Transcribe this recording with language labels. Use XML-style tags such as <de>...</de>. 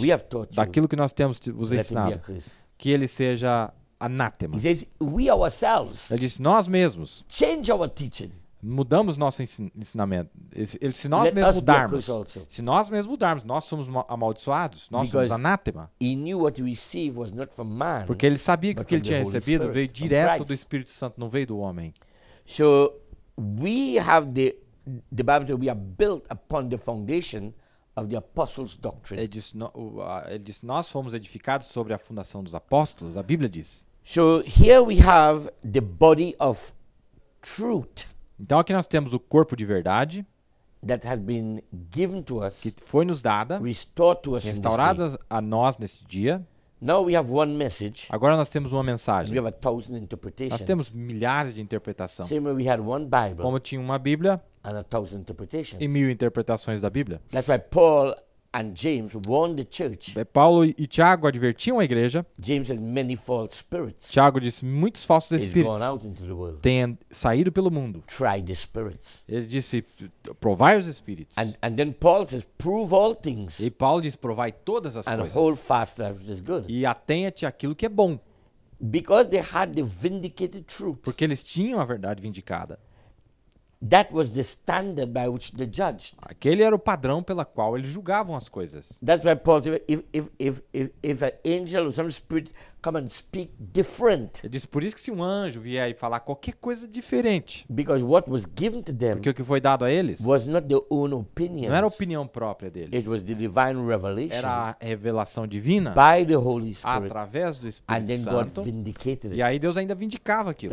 <en>what we have taught you,</en> <pt>daquilo que nós temos vos ensinado, que ele seja anátema.</pt> <en>He says, we,</en> <pt>ele diz, nós mesmos</pt> <en>change our teaching,</en> <pt>mudamos nosso ensinamento. Se nós mesmos mudarmos, se nós mesmos mudarmos, nós somos amaldiçoados, nós</pt> <en>because</en> <pt>somos anátema.</pt> <en>He knew what you receive was not from man,</en> <pt>porque ele sabia que o que ele tinha recebido veio direto do Espírito Santo, não veio do homem.</pt> <en>So we have the Bible says we are built upon the foundation of the apostles' doctrine.</en> <pt>Ele diz, nós fomos edificados sobre a fundação dos apóstolos, a Bíblia diz.</pt> <en>So here we have the body of truth.</en> <pt>Então aqui nós temos o corpo de verdade</pt> <en>that has been given to us,</en> <pt>que foi nos dada,</pt> <en>restored to us,</en> <pt>restaurada a nós neste dia.</pt> <en>Now we have one message.</en> <pt>Agora nós temos uma mensagem.</pt> <en>We have a thousand interpretations.</en> <pt>Nós temos milhares de interpretações.</pt> <en>Same way we had one Bible.</en> <pt>Como tinha uma Bíblia.</pt> <en>And a thousand interpretations.</en> <pt>E mil interpretações da Bíblia.</pt> <en>That's why Paul and James warned the church.</en> <pt>Paulo e Tiago advertiam a igreja.</pt> <en>James has many false spirits.</en> <pt>Tiago disse muitos falsos espíritos.</pt> <en>He's gone out into the world.</en> <pt>Têm saído pelo mundo.</pt> <en>Try the spirits.</en> <pt>Ele disse, provai os espíritos.</pt> <en>And then Paul says, prove all things.</en> <pt>E Paulo diz, provai todas as</pt> <en>and</en> <pt>coisas.</pt> <en>Hold fast to what is good.</en> <pt>E atenha-te àquilo que é bom.</pt> <en>Because they had the vindicated truth.</en> <pt>Porque eles tinham a verdade vindicada.</pt> <en>That was the standard by which they judged.</en> <pt>Aquele era o padrão pela qual eles julgavam as coisas.</pt> <en>That's why Paul said, if an angel or some spirit come and speak different.</en> <pt>Ele disse, por isso que se um anjo vier e falar qualquer coisa diferente.</pt> <en>Because what was given to them.</en> <pt>Porque o que foi dado a eles.</pt> <en>Was not their own opinion.</en> <pt>Não era a opinião própria deles.</pt> <en>It was the divine revelation.</en> <pt>Era a revelação divina.</pt> <en>By the Holy Spirit.</en> <pt>Através do Espírito</pt> <en>and then</en> <pt>Santo.</pt> <en>God vindicated it.</en> <pt>E aí Deus ainda vindicava aquilo.</pt>